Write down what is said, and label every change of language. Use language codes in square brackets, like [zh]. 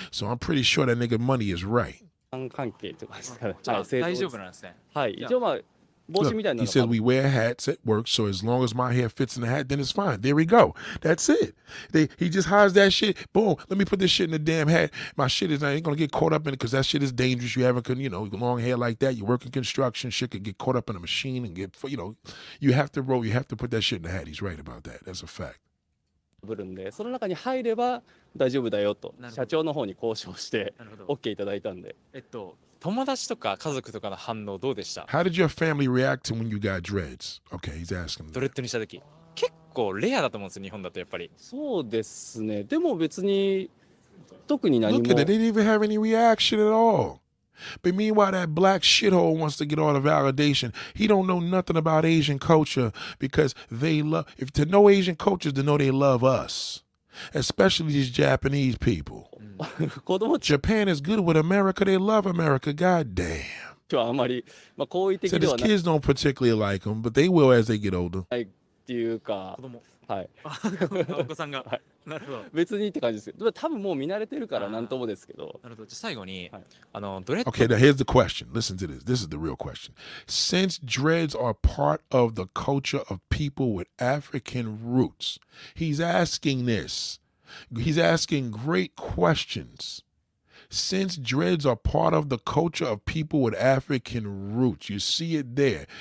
[en] So I'm pretty sure that nigga money is right. [ja] 関係とかですから。じゃあ大丈夫なんですね。はい。一応まあ帽子みたいなのが。 [en] He said we wear hats at work, so as long as my hair fits in the hat, then it's fine. There we go. That's it. He just hides that shit. Boom. Let me put this shit in the damn hat. My shit is not ain't gonna get caught up in it because that shit is dangerous. You haven't, you know, long hair like that. You work in construction, shit could get caught up in a machine and get, you know, you have to roll. You have to put that shit in the hat. He's right about that. That's a fact. [ja] ぶるんで、その中に入れば大丈夫だよと社長の方に交渉して OK いただいたんで。友達とか家族とかの反応どうでした？ [en] How did your family react to when you got dreads? Okay, he's asking. [ja] ドレッドにした時、結構レアだと思うんですよ、日本だとやっぱり。そうですね。でも別に特に何も。 [en] Look at it. They didn't even have any reaction at all. But meanwhile, that black shithole wants to get all the validation. He don't know nothing about Asian culture because they love. If to know Asian culture is to know they love us, especially these Japanese people. [ja] 子供 [en] Japan is good with America. They love America. God damn. [ja] とはあまり、まあ好意的ではない。 [en] So his kids don't particularly like him, but they will as they get older. [ja] はい、っていうか、子供、はい。お子さんが、はい、なるほど。別にって感じですけど、多分もう見慣れてるからなんともですけど。なるほど。じゃ最後に、はい、あのドレッド。 [en] Okay, now here's the question. Listen to this. This is the real question. Since dreads are part of the culture of people with African roots, he's asking this. He's asking great questions. Since dreads are part of the culture of people with African roots, you see it there.